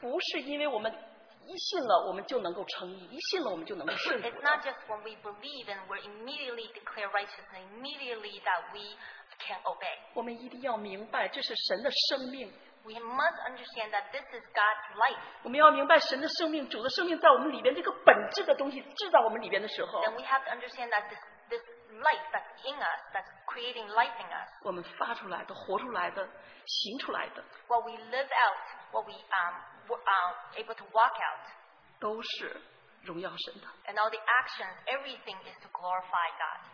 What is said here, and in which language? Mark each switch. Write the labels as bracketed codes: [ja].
[zh] 不是因为我们 一信了我们就能够称义, [en] it's not just when we believe and we're immediately declared righteous and immediately that we can obey. [zh] 我们一定要明白, 这是神的生命, [en] we must understand that this is God's life. [zh] 我们要明白神的生命, 主的生命在我们里边, 这个本质的东西, 制造我们里边的时候, [en] then we have to understand that this life that's in us, that's creating life in us. [zh] 我们发出来的, 活出来的, 行出来的, [en] what we live out, what we able to walk out, [zh] 都是荣耀神的, [en] and all the actions, everything is to glorify God.